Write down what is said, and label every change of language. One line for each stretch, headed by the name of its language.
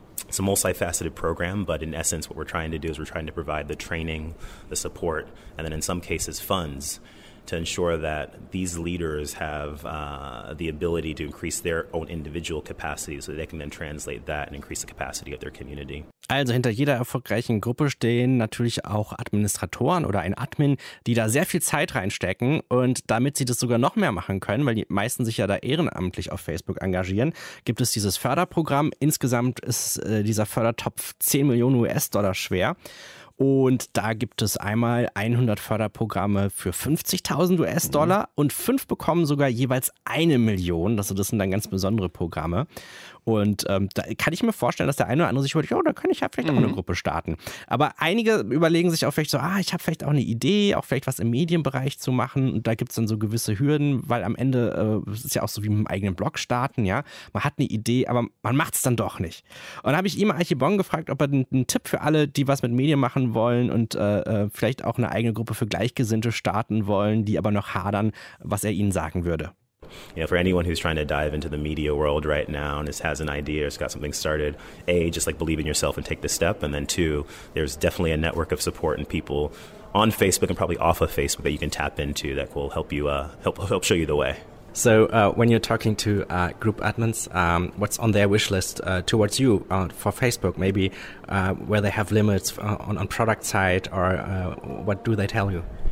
English: It's a multifaceted program, but in essence, what we're trying to do is we're trying to provide the training, the support, and then in some cases, funds, to ensure that these leaders have the ability to increase their own individual capacity so they can then translate that and increase the capacity of their community.
German: Also hinter jeder erfolgreichen Gruppe stehen natürlich auch Administratoren oder ein Admin, die da sehr viel Zeit reinstecken, und damit sie das sogar noch mehr machen können, weil die meisten sich ja da ehrenamtlich auf Facebook engagieren, gibt es dieses Förderprogramm. Insgesamt ist dieser Fördertopf 10 Millionen US-Dollar schwer. Und da gibt es einmal 100 Förderprogramme für 50.000 US-Dollar und 5 bekommen sogar jeweils 1 Million. Also das sind dann ganz besondere Programme. Und da kann ich mir vorstellen, dass der eine oder andere sich überlegt, oh, da könnte ich ja vielleicht auch eine Gruppe starten. Aber einige überlegen sich auch vielleicht so, ah, ich habe vielleicht auch eine Idee, auch vielleicht was im Medienbereich zu machen. Und da gibt es dann so gewisse Hürden, weil am Ende ist ja auch so wie mit einem eigenen Blog starten, ja. Man hat eine Idee, aber man macht es dann doch nicht. Und da habe ich Ima Archibong gefragt, ob er einen Tipp für alle, die was mit Medien machen wollen und vielleicht auch eine eigene Gruppe für Gleichgesinnte starten wollen, die aber noch hadern, was er ihnen sagen würde.
English: You know, for anyone who's trying to dive into the media world right now and has an idea or has got something started, A, just like believe in yourself and take the step. And then two, there's definitely a network of support and people on Facebook and probably off of Facebook that you can tap into that will help you help show you the way. So when you're talking to group admins, what's on their wish list towards you for Facebook, maybe where they have limits on product side or what do they tell you?